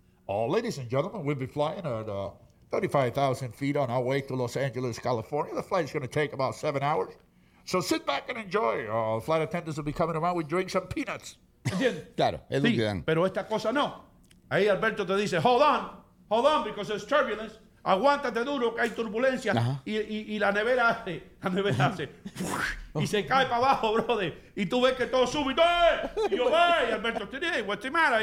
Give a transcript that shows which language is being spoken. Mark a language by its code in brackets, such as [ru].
[en] Oh, ladies and gentlemen, we'll be flying at 35,000 feet on our way to Los Angeles, California. The flight's going to take about 7 hours. So sit back and enjoy. The flight attendants will be coming around with drinks and peanuts. [es] Claro, es sí, pero esta cosa no. Ahí Alberto te dice, [en] hold on, because there's turbulence. [es] Aguántate duro, que hay turbulencia. Y la nevera hace, y se cae para abajo, brother. Y tú ves que todo sube y todo. Y yo, [en] hey, Alberto, today, what's the matter?